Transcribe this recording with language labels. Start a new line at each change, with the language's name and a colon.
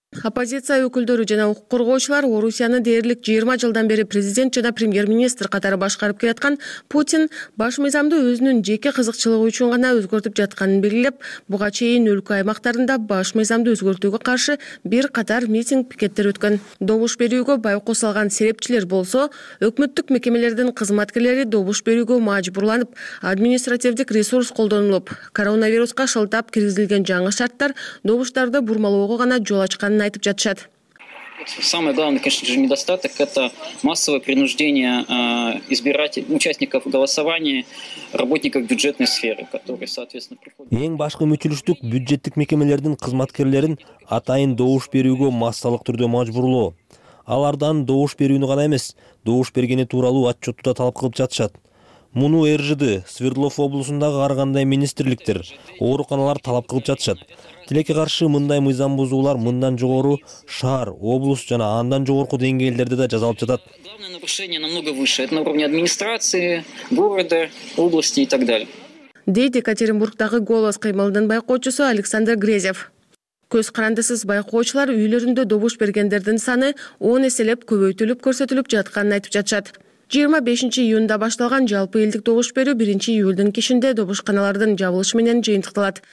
Kyrgyz: Оппозиция өкүлдөрү жана укук коргоочулар Орусияны дээрлик 20 жылдан бери президент жана премьер-министр катары башкарып келаткан Путин баш мыйзамды өзүнүн жеке кызыкчылыгы үчүн гана өзгөртүп жатканын белгилеп, буга чейин өлкө аймактарында баш мыйзамды өзгөртүүгө каршы бир катар митинг пикеттер өткөн. Добуш берүүгө байкоо салган серепчилер болсо, өкмөттүк мекемелердин кызматкерлери добуш берүүгө мажбурланып, административдик ресурс колдонулуп, коронавируска шылтап киргизилген жаңы шарттар добуштарды бурмалоого гана жол ачкан. Айтып жатышат.
Russian: Самый главный, конечно же, недостаток – это массовое принуждение избирателей, участников голосования, работников бюджетной сферы, которые, соответственно, приходят.
Kyrgyz: Эң башкы мүчүлүштүк бюджеттик мекемелердин кызматкерлерин атайын добуш берүүгө массалык түрдө мажбурлоо. Алардан добуш берүүнү гана эмес, добуш бергени тууралуу отчётту да талап кылып жатышат. Муну РЖД, Свердлов облусундагы ар кандай министрликтер, ооруканалар талап кылып жатышат. Тилекке каршы мындай мыйзам бузуулар мындан жогору шаар, облус жана андан жогорку деңгээлдерде да жазалып жатат.
Russian: Главное нарушение намного выше. Это на уровне администрации, города, области и так далее.
Kyrgyz: Дейт Екатеринбургдагы Голос кыймылынын байкоочусу Александр Грезев. Көз карандысыз байкоочулар үйлөрүндө добуш бергендердин саны 10 эселеп көбөйтүлүп көрсөтүлүп жатканын айтып жатышат. 25 июнда башталган жалпы элдик добуш берүү 1 июлдун кишинде добушканалардын жабылышы менен жыйынтыкталат.